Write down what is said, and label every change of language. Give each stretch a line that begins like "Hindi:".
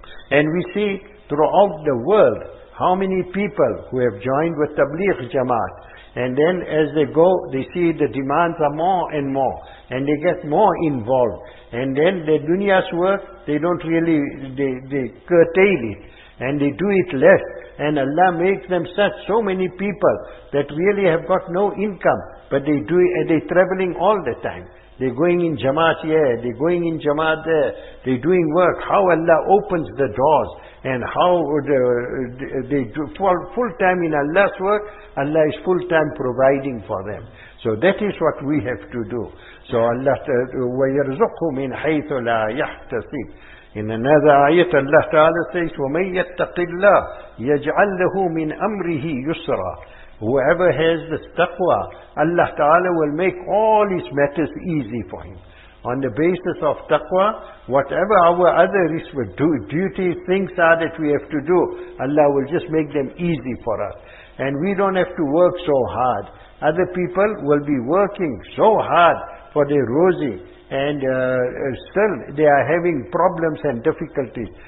English: And we see throughout the world, how many people who have joined with Tabligh Jamaat, and then as they go, they see the demands are more and more, and they get more involved, and then their dunya's work, they don't really, they curtail it, and they do it less, and Allah makes them such, so many people that really have got no income, but they do it, and they're traveling all the time. They're going in Jamaat here, they're going in Jamaat there, they're doing work. How Allah opens the doors, and how they do full-time in Allah's work, Allah is full-time providing for them. So that is what we have to do. So Allah says,
Arabic: وَيَرْزُقْهُ مِنْ حَيْثُ لَا يَحْتَسِبْ.
English: In another ayat, Allah Ta'ala says,
Arabic: وَمَنْ يَتَّقِ اللَّهِ يَجْعَلْ لَهُ مِنْ أَمْرِهِ يُسْرًا.
English: Whoever has this taqwa, Allah Ta'ala will make all his matters easy for him. On the basis of taqwa, whatever our other duties, things are that we have to do, Allah will just make them easy for us. And we don't have to work so hard. Other people will be working so hard for their rozi, and still they are having problems and difficulties.